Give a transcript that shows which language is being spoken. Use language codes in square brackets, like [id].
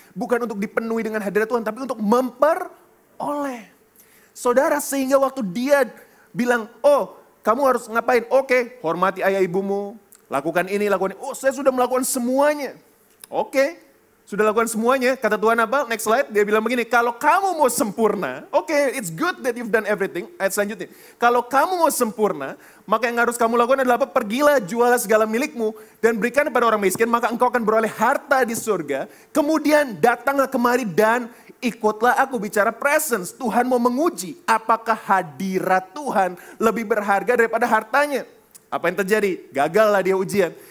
[id] Bukan untuk dipenuhi dengan hadirat Tuhan, tapi untuk memperoleh. Saudara, sehingga waktu dia bilang, oh kamu harus ngapain? Oke, hormati ayah ibumu, lakukan ini, lakukan ini. Oh saya sudah melakukan semuanya. Oke, sudah lakukan semuanya. Kata Tuhan apa? [en] Next slide, [id] dia bilang begini, kalau kamu mau sempurna, oke, [en] it's good that you've done everything. [id] Ayat selanjutnya, kalau kamu mau sempurna, maka yang harus kamu lakukan adalah apa? Pergilah, jualah segala milikmu, dan berikan kepada orang miskin, maka engkau akan beroleh harta di surga, kemudian datanglah kemari dan ikutlah aku. Bicara presence, Tuhan mau menguji apakah hadirat Tuhan lebih berharga daripada hartanya. Apa yang terjadi? Gagallah dia ujian.